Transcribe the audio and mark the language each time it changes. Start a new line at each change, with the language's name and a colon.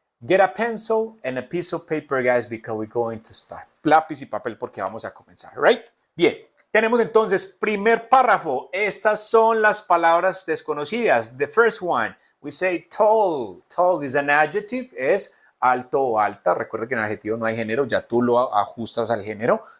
English: Get a pencil and a piece of paper, guys, because we're going to start.
Spanish: Lápiz y papel porque vamos a comenzar,
English: right?
Spanish: Bien, tenemos entonces primer párrafo. Estas son las palabras desconocidas.
English: The first one, we say tall. Tall is an adjective,
Spanish: es alto o alta. Recuerda que en adjetivo no hay género, ya tú lo ajustas al género.